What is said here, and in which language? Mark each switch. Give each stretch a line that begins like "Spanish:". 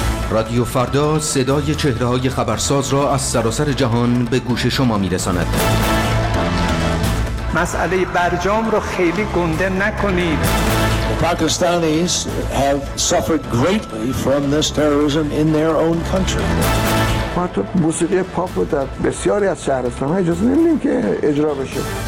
Persian: رادیو فردا صدای چهره‌های خبرساز را از سراسر جهان به گوش شما می‌رساند. مسئله برجام را خیلی گنده نکنید.
English: Pakistanis have suffered greatly from this terrorism in their own country.
Persian: ما تو موسیقی پاپ رو در بسیاری از شهرستان‌ها اجازه نمی‌دیم که اجرا بشه.